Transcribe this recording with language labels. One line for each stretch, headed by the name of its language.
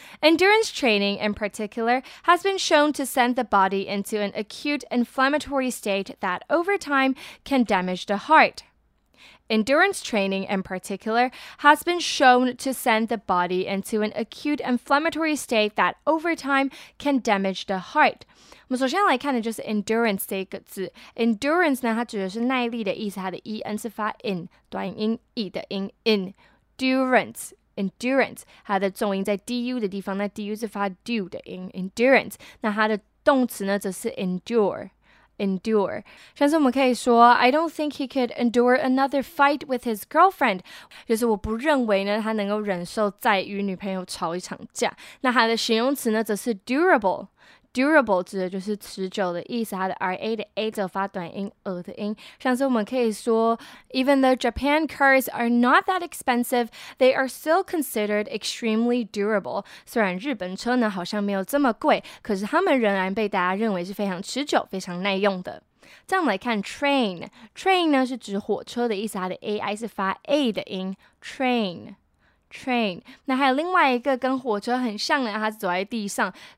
English: Endurance training in particular has been shown to send the body into an acute inflammatory state that over time can damage the heart. Endurance training in particular has been shown to send the body into an acute inflammatory state that over time can damage the heart.
Chinese: 我们首先来看的就是 endurance 这个字。Endurance 呢，它指的是耐力的意思，它的 en 是发 in 短音 e 的音 endurance。 Endurance 它的重音在 du 的地方，那 du 是发 du 的音 endurance。那它的动词呢，则是 endure。
English: Endure.
Chinese: 像是我们可以说
English: I don't think he could endure another fight with his girlfriend.
Chinese: 就是我不认为呢他能够忍受再与女朋友吵一场架。那他的形容词呢则是 durable. Durable 指的就是持久的意思，他的 RA 的 A 则发短音 e 的音。像是我们可以说
English: Even though Japan cars are not that expensive, they are still considered extremely durable.
Chinese: 虽然日本车呢好像没有这么贵，可是他们仍然被大家认为是非常持久，非常耐用的。这样来看 train 呢是指火车的意思，它的 AI 是发 A 的音 train 那还有另外一个跟火车很像的，它是走在地上。